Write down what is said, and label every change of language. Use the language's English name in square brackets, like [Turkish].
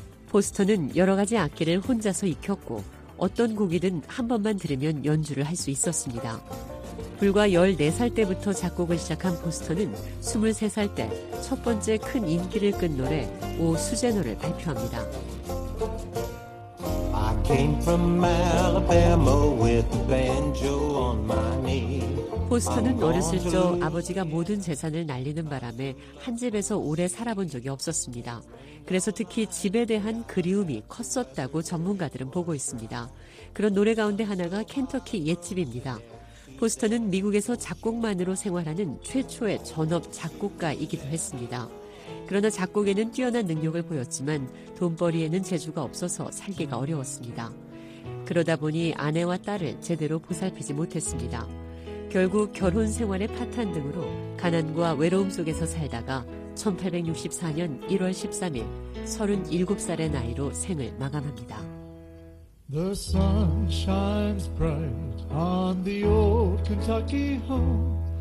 [Korean] 포스터는 여러 가지 악기를 혼자서 익혔고 어떤 곡이든 한 번만 들으면 연주를 할 수 있었습니다. 불과 14살 때부터 작곡을 시작한 포스터는 23살 때 첫 번째 큰 인기를 끈 노래 오 수제노를 발표합니다. [English] I came from Alabama with a banjo on my knee. [Korean] 포스터는 어렸을 적 아버지가 모든 재산을 날리는 바람에 한 집에서 오래 살아본 적이 없었습니다. 그래서 특히 집에 대한 그리움이 컸었다고 전문가들은 보고 있습니다. 그런 노래 가운데 하나가 켄터키 옛집입니다. 포스터는 미국에서 작곡만으로 생활하는 최초의 전업 작곡가이기도 했습니다. 그러나 작곡에는 뛰어난 능력을 보였지만 돈벌이에는 재주가 없어서 살기가 어려웠습니다. 그러다 보니 아내와 딸을 제대로 보살피지 못했습니다. 결국 결혼 생활의 파탄 등으로 가난과 외로움 속에서 살다가 1864년 1월 13일 37살의 나이로 생을 마감합니다. [English] The sun shines bright on the old Kentucky home.